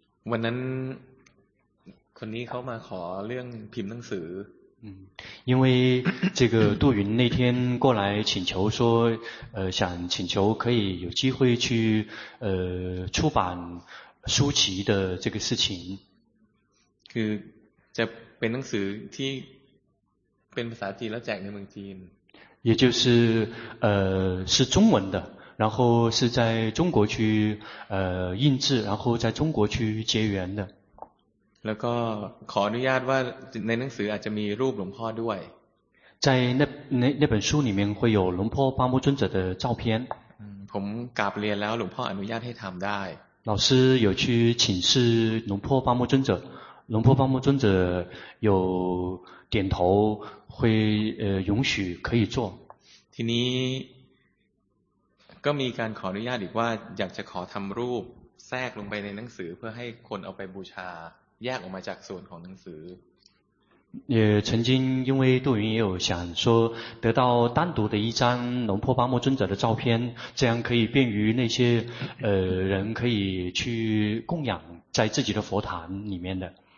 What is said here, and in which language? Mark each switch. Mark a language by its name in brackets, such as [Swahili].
[Thai] วันนั้นคนนี้เขามาขอเรื่องพิมพ์หนังสือ [Chinese] 因为这个杜云那天过来请求说想请求可以有机会去出版书籍的这个事情 [Thai] คือจะเป็นหนังสือที่เป็นภาษาจีนแล้วแจกในเมืองจีน [Chinese] 也就是是中文的然后是在中国去印制然后在中国去结缘的 [Thai] แล้วก็ขออนุญาตว่าในหนังสืออาจจะมีรูปหลวงพ่อด้วย [Chinese] ใน那本书里面会有龙婆八木尊者的照片 [Thai] ผมกราบเรียนแล้วหลวงพ่ออนุญาตให้ทำได้ [Chinese] 老师有去请示龙婆八木尊者龙婆八木尊者有点头会允许可以做 [Thai] ทีนี้ก็มีการขออนุญาตอีกว่าอยากจะขอทำรูปแทรกลงไปในหนังสือเพื่อให้คนเอาไปบูชาแยกออกมาจากส่วนของหนังสือ [Chinese] 也曾经因为杜云也有想说得到单独的一张龙婆巴木尊者的照片这样可以便于那些人可以去供养在自己的佛坛里面的